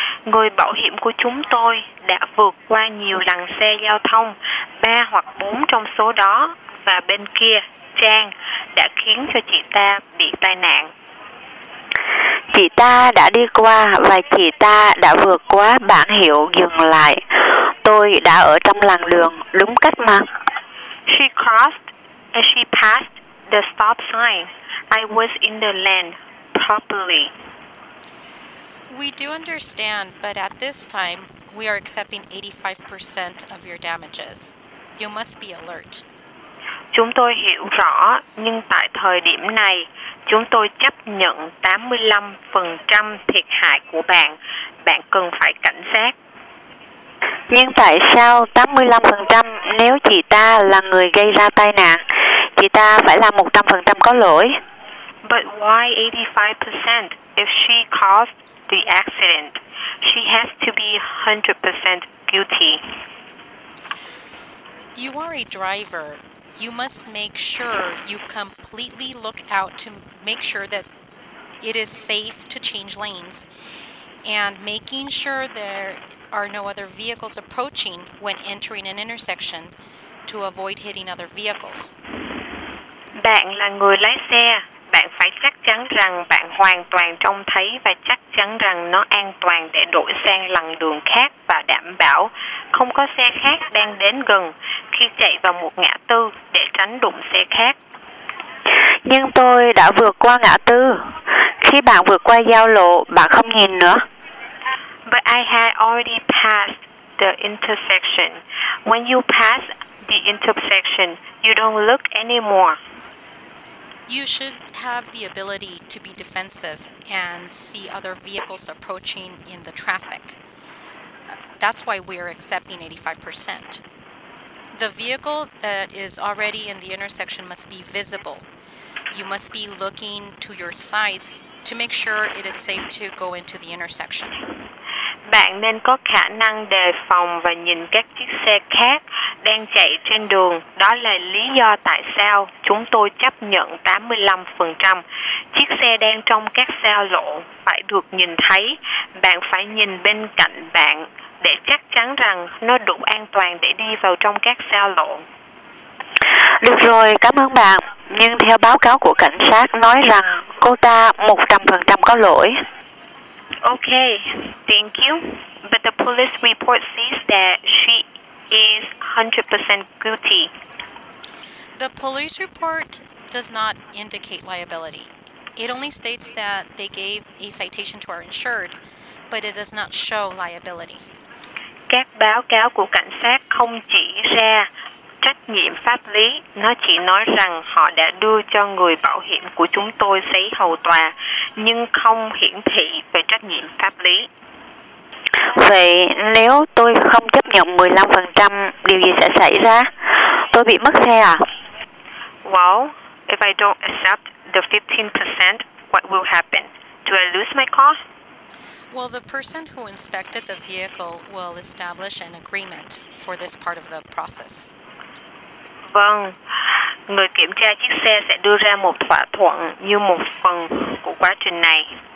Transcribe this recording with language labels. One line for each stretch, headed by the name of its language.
Vietnamese: Người bảo hiểm của chúng tôi đã vượt qua nhiều lần xe giao thông, 3 hoặc 4 trong số đó, và bên kia, Trang, đã khiến cho chị ta bị tai nạn. Chị ta đã đi qua và chị ta đã vượt qua bảng hiệu dừng lại. Tôi đã ở trong làn đường đúng cách mà.
English: She crossed and she passed the stop sign. I was in the lane properly. We do understand, but at this time, we are accepting 85% of your damages. You must be alert.
Vietnamese: Chúng tôi hiểu rõ, nhưng tại thời điểm này, chúng tôi chấp nhận 85% thiệt hại của bạn. Bạn cần phải cảnh giác. Nhưng tại sao 85% nếu chị ta là người gây ra tai nạn? Chị ta phải là 100% có lỗi.
English: But why 85% if she caused the accident? She has to be 100% guilty. You are a driver. You must make sure you completely look out to make sure that it is safe to change lanes. And making sure there are no other vehicles approaching when entering an intersection to avoid hitting other vehicles.
Vietnamese: Bạn là người lái xe, bạn phải chắc chắn rằng bạn hoàn toàn trông thấy và chắc chắn rằng nó an toàn để đổi sang làn đường khác và đảm bảo không có xe khác đang đến gần khi chạy vào một ngã tư để tránh đụng xe khác. Nhưng tôi đã vượt qua ngã tư. Khi bạn vượt qua giao lộ, bạn không nhìn nữa.
English: But I had already passed the intersection. When you pass the intersection, you don't look anymore. You should have the ability to be defensive and see other vehicles approaching in the traffic. That's why we are accepting 85%. The vehicle that is already in the intersection must be visible. You must be looking to your sides to make sure it is safe to go into the intersection.
Vietnamese: Bạn nên có khả năng đề phòng và nhìn các chiếc xe khác đang chạy trên đường. Đó là lý do tại sao chúng tôi chấp nhận 85%. Chiếc xe đang trong các giao lộ phải được nhìn thấy. Bạn phải nhìn bên cạnh bạn để chắc chắn rằng nó đủ an toàn để đi vào trong các giao lộ. Được rồi, cảm ơn bạn. Nhưng theo báo cáo của cảnh sát nói rằng cô ta 100% có lỗi.
English: Okay, thank you. But the police report says that she is 100% guilty. The police report does not indicate liability. It only states that they gave a citation to our insured, but it does not show liability.
Vietnamese: Các báo cáo của cảnh sát không chỉ ra trách nhiệm pháp lý, nó chỉ nói rằng họ đã đưa cho người bảo hiểm của chúng tôi giấy hầu tòa, nhưng không hiển thị về trách nhiệm pháp lý. Vậy nếu tôi không chấp nhận 15%, điều gì sẽ xảy ra? Tôi bị mất xe à?
English: Well, if I don't accept the 15%, what will happen? Do I lose my car? Well, the person who inspected the vehicle will establish an agreement for this part of the process.
Vietnamese: Vâng, người kiểm tra chiếc xe sẽ đưa ra một thỏa thuận như một phần của quá trình này.